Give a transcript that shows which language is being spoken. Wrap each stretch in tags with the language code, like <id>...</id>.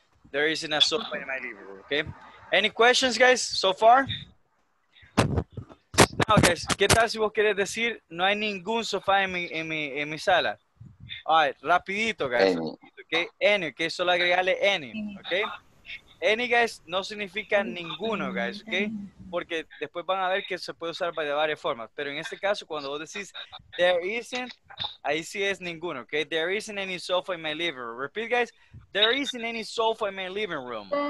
<en>There isn't a sofa in my living room, okay? Any questions, guys, so far? Now, guys,</en> <es>¿qué tal si vos querés decir no hay ningún sofá en mi sala?</es> <en>All right, rapidito, guys. Any, okay?</en> <es>Solo agregarle</es> <en>any, okay?</en> <es>Any, guys, no significa ninguno, guys, ¿ok? Porque después van a ver que se puede usar de varias formas. Pero en este caso, cuando vos decís,</es> <en>there isn't,</en> <es>ahí sí es ninguno, ¿ok?</es> <en>There isn't any sofa in my living room. Repeat, guys. There isn't any sofa in my living room.</en>